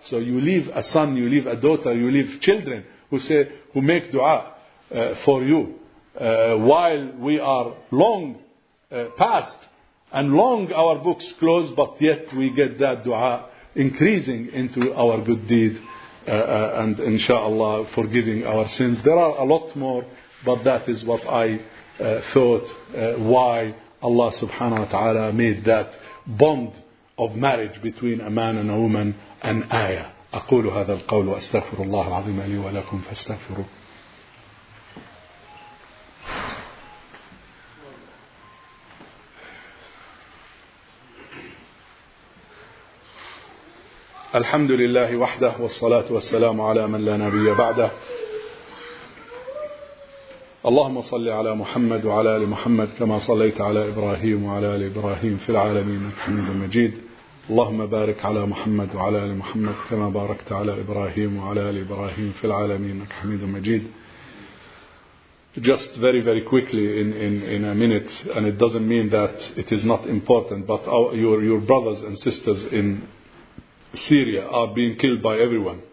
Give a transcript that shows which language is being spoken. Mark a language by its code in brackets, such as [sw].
[en] So you leave a son, you leave a daughter, you leave children who make dua for you while we are long past and long our books closed, but yet we get that dua increasing into our good deed and inshallah forgiving our sins. There are a lot more, but that is what I thought, why Allah subhanahu wa ta'ala made that bond of marriage between a man and a woman an ayah. [ar] أقول هذا القول وأستغفر الله العظيم لي ولكم فاستغفروا. الحمد لله وحده والصلاة والسلام على من لا نبي بعده. اللهم صل على محمد وعلى آل محمد كما صليت على إبراهيم وعلى آل إبراهيم في العالمين إنك حميد مجيد. اللهم بارك على محمد وعلى آل محمد كما باركت على إبراهيم وعلى آل إبراهيم في العالمين إنك حميد مجيد. [en] Just very very quickly in a minute, and it doesn't mean that it is not important, but your brothers and sisters in Syria are being killed by everyone.